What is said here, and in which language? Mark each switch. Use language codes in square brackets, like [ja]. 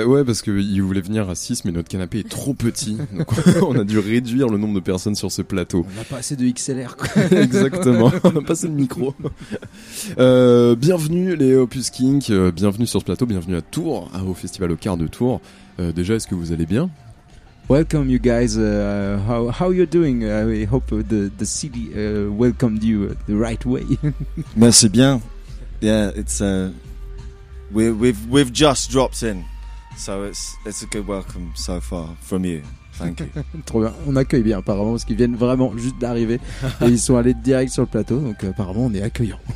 [fr] Bah ouais, parce qu'il voulait venir à 6, mais notre canapé est trop petit. Donc on a dû réduire le nombre de personnes sur ce plateau. On n'a pas assez de XLR, quoi. Exactement, on n'a pas assez de micro. Bienvenue, les Opus Kink. Bienvenue sur ce plateau, bienvenue à Tours, au festival au quart de Tours. Déjà, est-ce que vous allez bien? [en] Welcome, you guys. How you doing? I hope the city welcomed you the right way. [fr] Merci bien. [en] Yeah, it's we've just dropped in, so it's a good welcome so far from you. Thank you. [fr] Trop bien. On accueille bien apparemment parce qu'ils viennent vraiment juste d'arriver et ils sont allés direct sur le plateau, donc apparemment on est accueillant.